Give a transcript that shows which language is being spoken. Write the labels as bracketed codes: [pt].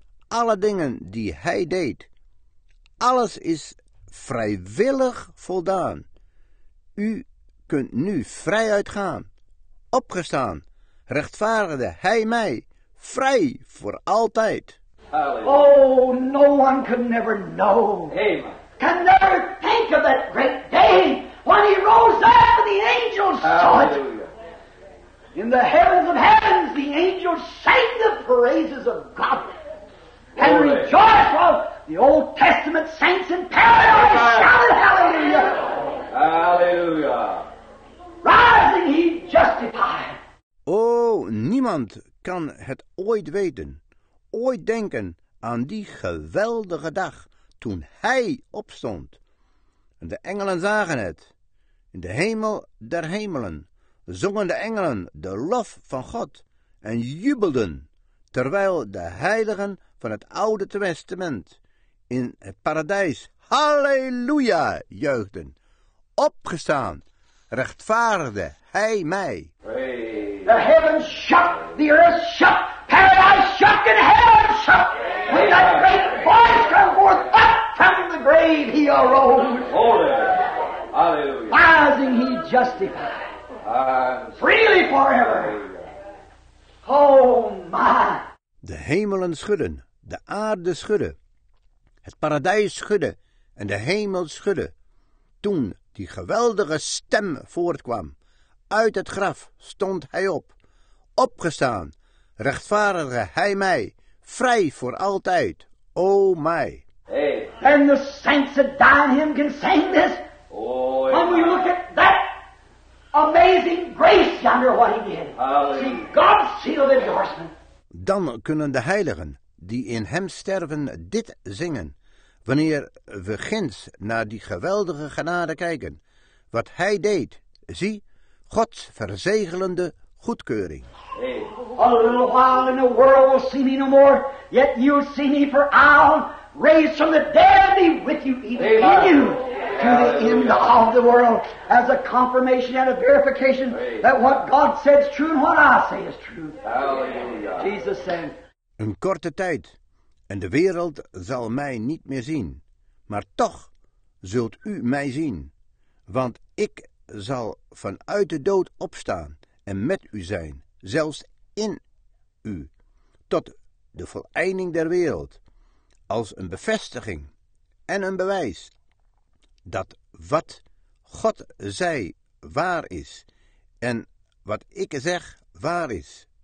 [nl] Alle dingen die hij deed, alles is vrijwillig voldaan. U kunt nu vrij uitgaan, opgestaan, rechtvaardigde hij mij, vrij voor altijd. [en] Oh, no one can never know. Amen. Can never think of that great day when he rose up and the angels saw it. In the heavens of heavens, the angels sang the praises of God. And rejoice while the Old Testament saints in paradise shouted hallelujah. Hallelujah. Rising, he justified. [nl] Oh, niemand kan het ooit weten, ooit denken aan die geweldige dag toen hij opstond. En de engelen zagen het. In de hemel der hemelen zongen de engelen de lof van God en jubelden, terwijl de heiligen van het Oude Testament in het paradijs halleluja juichten. Opgestaan rechtvaardigde hij mij. [en] Praise. The heavens shook, the earth shook, paradise shook, and heaven shook. When that great voice came forth up from the grave, he arose. Hallelujah. Rising, he justified. Freely forever. Oh my. [nl] De hemelen schudden, de aarde schudden, het paradijs schudden en de hemel schudden. Toen die geweldige stem voortkwam, uit het graf stond hij op. Opgestaan, rechtvaardigde hij mij, vrij voor altijd, o mij. Hey. [en] And the saints that die in him can sing this. Oh, when we look at that amazing grace yonder what he did. Hallelujah. See, God's sealed endorsement. [nl] Dan kunnen de heiligen die in hem sterven dit zingen, wanneer we ginds naar die geweldige genade kijken, wat hij deed, zie, Gods verzegelende goedkeuring. [en] A little while and the world will see me no more, yet you'll see me for I'll raise from the dead and be with you even Amen. In you to the end of the world as a confirmation and a verification Praise. That what God said is true and what I say is true. Hallelujah. Jesus said, [nl] een korte tijd, en de wereld zal mij niet meer zien, maar toch zult u mij zien, want ik zal vanuit de dood opstaan en met u zijn, zelfs in u, tot de voleinding der wereld, als een bevestiging en een bewijs dat wat God zei waar is en wat ik zeg waar is.